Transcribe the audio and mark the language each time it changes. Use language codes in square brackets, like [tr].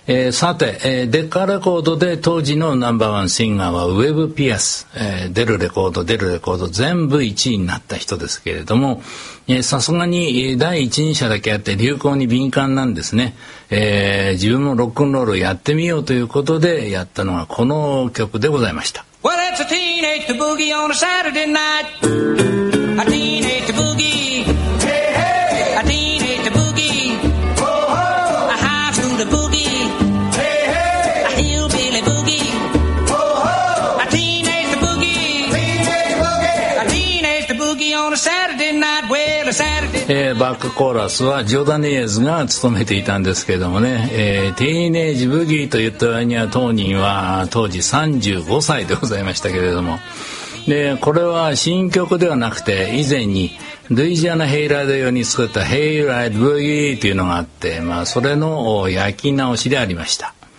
[ja] さてデッカレコードで当時のナンバーワンシンガーはウェブ・ピアス、出るレコード出るレコード全部1位になった人ですけれども、さすがに第一人者だけあって流行に敏感なんですね。自分もロックンロールをやってみようということでやったのがこの曲でございました。 [en] Well, it's a teenage boogie on a Saturday night. A teenageOn a Saturday night. [ja] バックコーラスはジョダネイズが務めていたんですけどもね、ティーネージブギーと言った割には当人は当時35歳でございましたけれども、でこれは新曲ではなくて以前にルイジアナヘイライド用に作ったヘイライドブギーというのがあって、まあそれの焼き直しでありました。